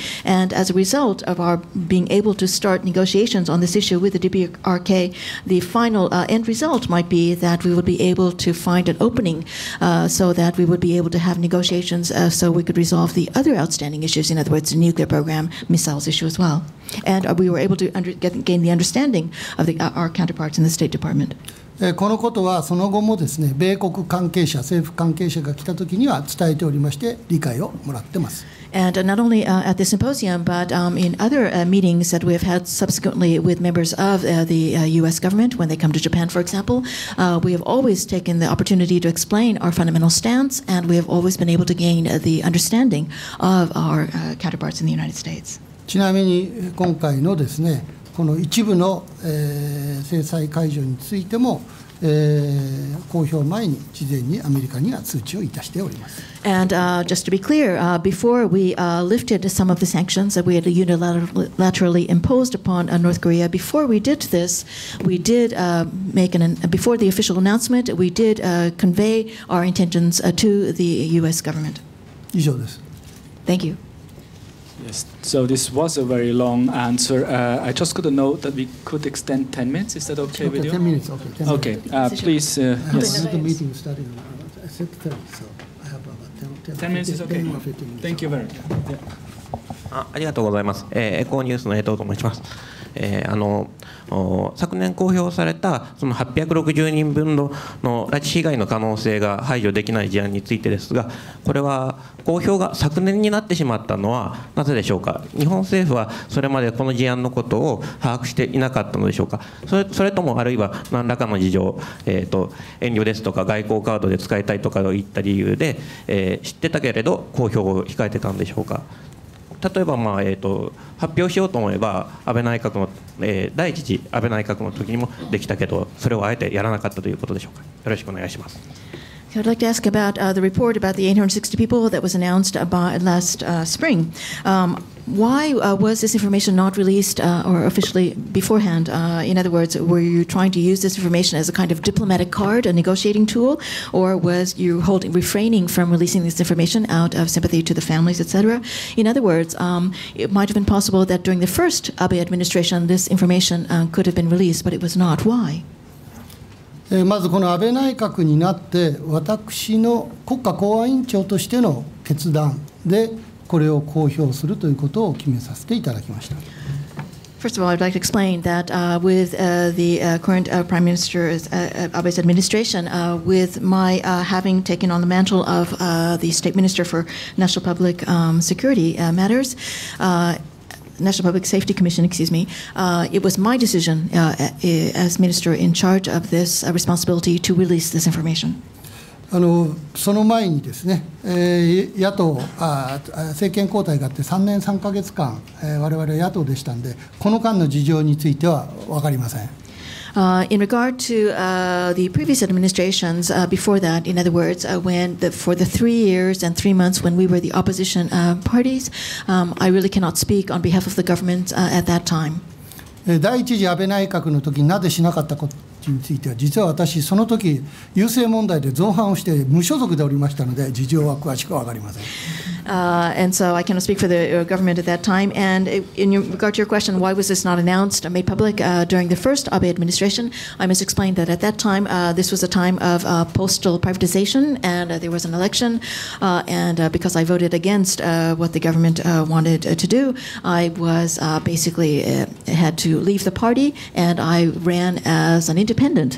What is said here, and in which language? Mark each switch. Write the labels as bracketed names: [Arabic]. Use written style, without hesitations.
[English] And as a result of our being able to start negotiations on this issue with the DPRK, the final end result might be that we would be able to find an opening so that we would be able to have negotiations so we could resolve the other outstanding issues, in other words, the nuclear program, missiles issue as well. And we were able to gain the understanding of our counterparts in the State Department. [Japanese] このことはその後もですね、米国関係者、政府関係者が来たときには伝えておりまして、理解をもらってます。 [English] And not only at the symposium, but in other meetings that we have had subsequently with members of the U.S. government when they come to Japan, for example, we have always taken the opportunity to explain our fundamental stance, and we have always been able to gain the understanding of our counterparts in the United States. [Japanese] ちなみに今回のですね、この一部の、制裁解除についても、公表前に事前にアメリカには通知をいたしております。 [English] And just to be clear, before we lifted some of the sanctions that we had unilaterally imposed upon North Korea, before we did this, we did make before the official announcement, we did convey our intentions to the U.S. government. [Japanese] 以上です。 [English] Thank you. Yes, so this was a very long answer. I just got a note that we could extend 10 minutes. Is that okay with you? 10 minutes, okay. 10 okay, minutes. Please. Yes. I have another meeting starting at 6:30, so I have about 10 minutes. 10 minutes is okay. Thank you very much. Yeah. [Japanese] ありがとうございます。エコーニュースの江藤と申します。昨年公表されたその860人分 の拉致被害の可能性が排除できない事案についてですが、これは公表が昨年になってしまったのはなぜでしょうか。日本政府はそれまでこの事案のことを把握していなかったのでしょうか。それともあるいは何らかの事情、遠慮ですとか外交カードで使いたいとかといった理由で、知ってたけれど公表を控えてたんでしょうか。例えば、発表しようと思えば安倍内閣の、第一次安倍内閣の時にもできたけど、それをあえてやらなかったということでしょうか。よろしくお願いします。 [English] I'd like to ask about the report about the 860 people that was announced by last spring. Why was this information not released or officially beforehand? In other words, were you trying to use this information as a kind of diplomatic card, a negotiating tool, or was you refraining from releasing this information out of sympathy to the families, etc.? In other words, it might have been possible that during the first Abe administration, this information could have been released, but it was not. Why? [Japanese] まずこの安倍内閣になって私の国家公安委員長としての決断でこれを公表するということを決めさせていただきました。 [English] First of all, I'd like to explain that with the current Prime Minister's Abe's administration, with my having taken on the mantle of the State Minister for National Public Security Matters, National Public Safety Commission, excuse me, it was my decision as minister in charge of this responsibility to release this information. [Japanese] その前にですね、野党あ政権交代があって3年3ヶ月間、我々は野党でしたんで、この間の事情については分かりません。 [English] In regard to the previous administrations before that, in other words, for the 3 years and 3 months when we were the opposition parties, I really cannot speak on behalf of the government at that time. [Japanese] 第一次安倍内閣の時になぜしなかったことについては、実は私その時郵政問題で造反をして無所属でおりましたので、事情は詳しくわかりません。 [English] And so I cannot speak for the government at that time. And in regard to your question, why was this not announced or made public during the first Abe administration? I must explain that at that time, this was a time of postal privatization, and there was an election. And because I voted against what the government wanted to do, I was basically had to leave the party, and I ran as an independent.